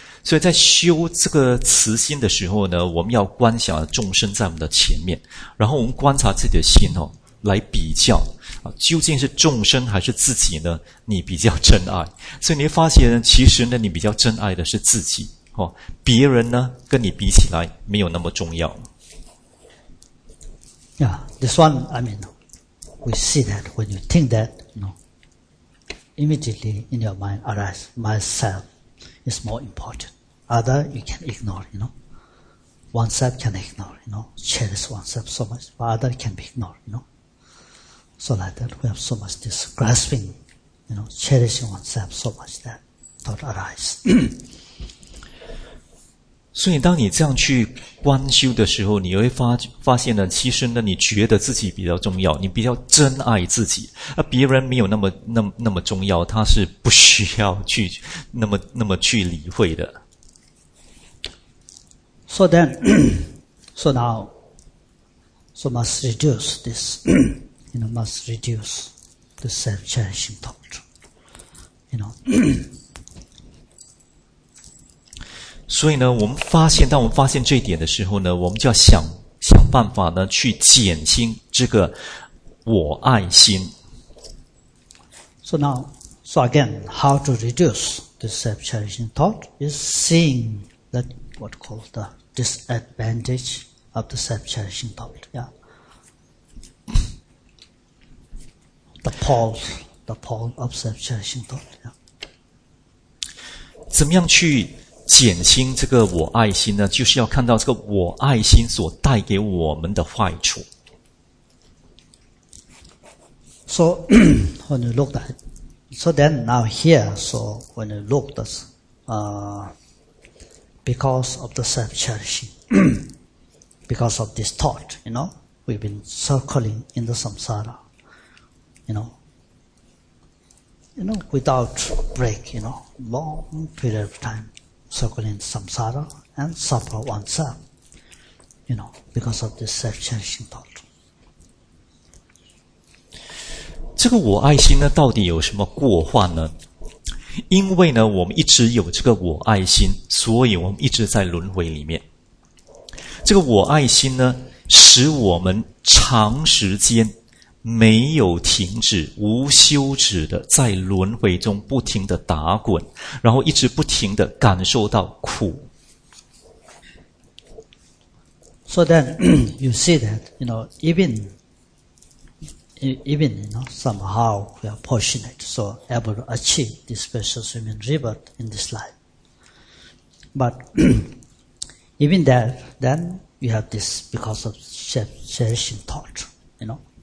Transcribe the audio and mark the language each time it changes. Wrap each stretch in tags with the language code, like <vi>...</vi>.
<zh>所以在修这个慈心的时候呢，我们要观想众生在我们的前面，然后我们观察自己的心哦，来比较究竟是众生还是自己呢，你比较真爱。所以你会发现其实呢，你比较真爱的是自己，别人呢跟你比起来没有那么重要。</zh> <en>Yeah, this one, I mean, we see that when you think that, you know, immediately in your mind arise, myself is more important. Other you can ignore, you know. Oneself can ignore, you know. Cherish oneself so much, but other can be ignored, you know. So like that, we have so much this grasping, you know, cherishing oneself so much that thought arises.</en> <zh>所以当你这样去观修的时候，你会发现呢，其实呢，你觉得自己比较重要，你比较珍爱自己，而别人没有那么重要，他是不需要去那么去理会的。</zh> <en>So then, so now, so must reduce this. You know, must reduce the self-cherishing thought. You know.</en> <zh>所以呢，我们发现，当我们发现这一点的时候呢，我们就要想办法呢，去减轻这个我爱心。</zh> <en>So now, so again, how to reduce the self-cherishing thought is seeing that what called the disadvantage of the self-cherishing thought. Yeah. The pole of self-cherishing thought. Yeah.</en> <zh>怎么样去减轻这个我爱心呢？就是要看到这个我爱心所带给我们的坏处。</zh> <en>So when you look at, so then now here, so when you look at, because of the self-cherishing, because of this thought, you know, we've been circling in the samsara. You know, without break, you know, long period of time, circling samsara and suffer oneself. you know, because of this self-cherishing thought.</en> <zh>这个我爱心呢，到底有什么过患呢？因为呢，我们一直有这个我爱心，所以我们一直在轮回里面。这个我爱心呢，使我们长时间没有停止，无休止的在轮回中不停的打滚，然后一直不停的感受到苦。</zh> <en>So then you see that, you know, even you know, somehow we are fortunate, so able to achieve this special human rebirth in this life. But even that, then you have this because of cherishing thought, you know.</en>